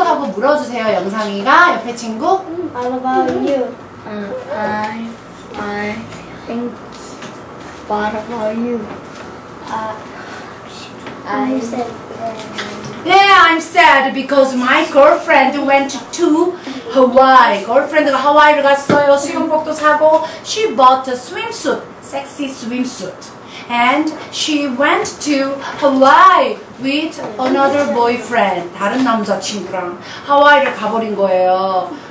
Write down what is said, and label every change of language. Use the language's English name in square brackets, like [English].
[Korean] 하고 물어주세요, 영상이가 옆에 친구. [English] What about you? I'm fine. Thank you. What about you? I'm sad. Yeah, I'm sad because my girlfriend went to Hawaii. [Korean] Girlfriend 가 하와이를 갔어요. 수영복도 사고 [English] she bought a swimsuit, sexy swimsuit. And she went to Hawaii with another boyfriend. [Korean] 다른 남자친구랑 하와이를 가버린 거예요.